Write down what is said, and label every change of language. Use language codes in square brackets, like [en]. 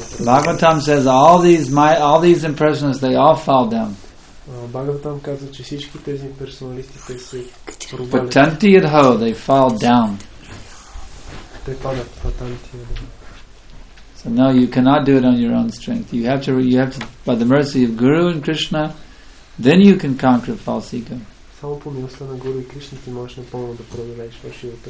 [en] Bhagavatam says all these impersonalists, they all fall down. [bg] Bhagavatam казва, че всички тези имперсоналисти те се рубали. [sa] Patanti yadho, [en] they fall down. They fall down. [sa] Patanti yadho. [en] So no, you cannot do it on your own strength. You have to, by the mercy of Guru and Krishna, then you can conquer false ego. [bg] Само по милостта на Гуру и Кришна ти можеш напълно да преодолееш фалшивото